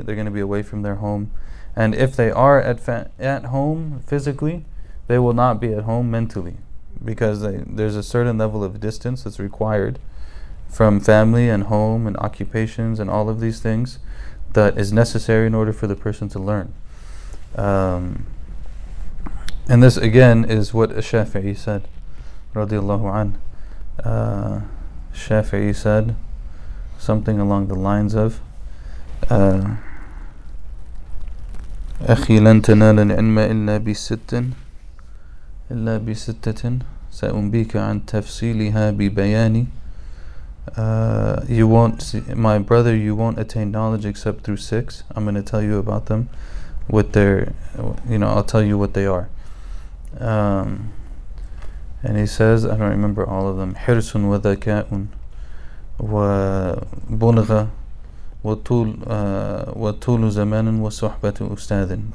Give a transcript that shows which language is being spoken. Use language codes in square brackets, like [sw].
[en] They're going to be away from their home. And if they are at home physically, they will not be at home mentally, because there's a certain level of distance that's required from family and home and occupations and all of these things that is necessary in order for the person to learn. And this, again, is what Shafi'i said, radiallahu anhu. Shafi'i said something along the lines of [ar] أَخِي لَن تَنَالَ الْعِلْمَ إِلَّا بِسِتَّةٍ إِلَّا بِسِتَّةٍ سَأُنْبِيكَ عَن تَفْصِيلِهَا بِبَيَانِ. [en] You won't see, my brother, you won't attain knowledge except through six. I'm going to tell you about them with their, you know, I'll tell you what they are. And he says, I don't remember all of them. [ar] حِرْسٌ وَذَكَاءٌ وَبُلْغَ وَطُولُ زَمَانٍ وَصُحْبَةُ أُسْتَاذٍ.